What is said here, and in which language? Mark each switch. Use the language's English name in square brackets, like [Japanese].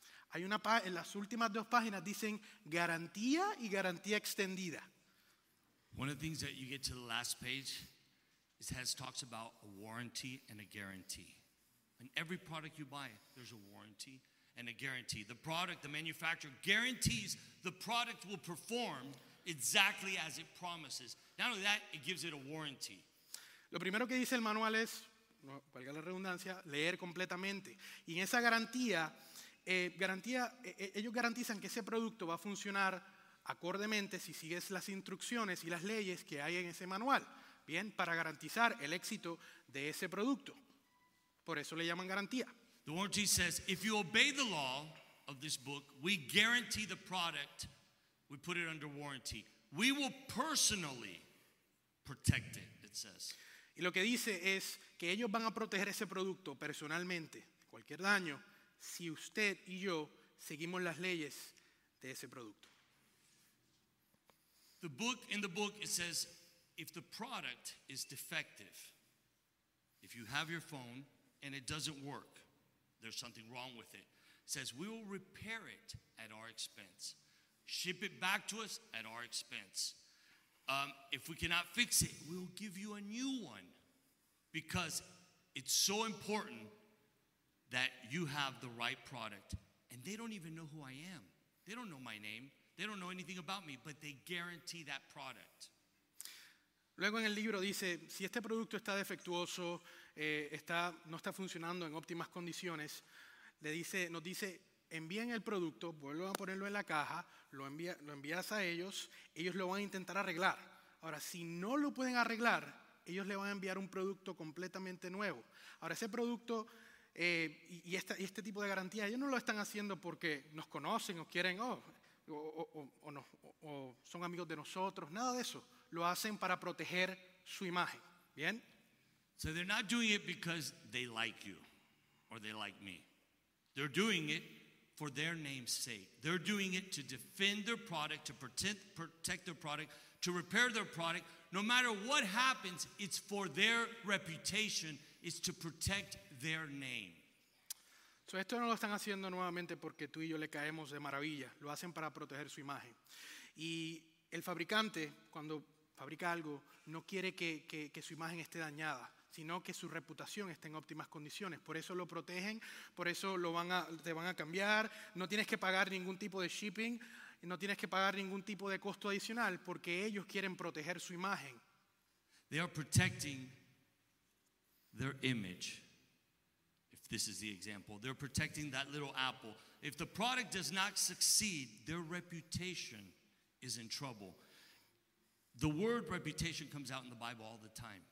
[Spanish] Hay una en las últimas dos páginas dicen garantía y garantía extendida. [English] One of the things that you get to the last page is has talks about a warranty and a guarantee. In every product you buy, there's a warranty and a guarantee. The product, the manufacturer guarantees the product will perform exactly as it promises. Not only that, it gives it a warranty. [Spanish] Lo primero que dice el manual es no, valga la redundancia, leer completamente. Y en esa garantía, ellos garantizan que ese producto va a funcionar acordemente si sigues las instrucciones y las leyes que hay en ese manual, ¿bien? Para garantizar el éxito de ese producto. Por eso le llaman garantía. [English] The warranty says, if you obey the law of this book, we guarantee the product, we put it under warranty. We will personally protect it, it says. [Spanish] Y lo que dice es que ellos van a proteger ese producto personalmente, cualquier daño, si usted y yo seguimos las leyes de ese producto. [English] The book, in the book, it says, if the product is defective, if you have your phone and it doesn't work, there's something wrong with it. It says, we will repair it at our expense. Ship it back to us at our expense. If we cannot fix it, we'll give you a new one because it's so important that you have the right product. And they don't even know who I am. They don't know my name. They don't know anything about me, but they guarantee that product. [Spanish] Luego en el libro dice, si este producto está defectuoso, no está funcionando en óptimas condiciones, nos dice, envíen el producto, vuelvan a ponerlo en la caja, lo envías a ellos, ellos lo van a intentar arreglar. Ahora, si no lo pueden arreglar, ellos le van a enviar un producto completamente nuevo. Ahora, ese producto y este tipo de garantía, ellos no lo están haciendo porque nos conocen o quieren, o son amigos de nosotros, nada de eso. Lo hacen para proteger su imagen, ¿bien? [English] So they're not doing it because they like you or they like me. They're doing it for their name's sake. They're doing it to defend their product, to protect their product, to repair their product. No matter what happens, it's for their reputation. It's to protect their name. [Spanish] So esto no lo están haciendo nuevamente porque tú y yo le caemos de maravilla. Lo hacen para proteger su imagen. Y el fabricante, cuando fabrica algo, no quiere que su imagen esté dañada, sino que su reputación esté en óptimas condiciones. Por eso lo protegen, por eso te van a cambiar. No tienes que pagar ningún tipo de shipping, no tienes que pagar ningún tipo de costo adicional, porque ellos quieren proteger su imagen. [English] They are protecting their image. If this is the example, they're protecting that little apple. If the product does not succeed, their reputation is in trouble. The word reputation comes out in the Bible all the time.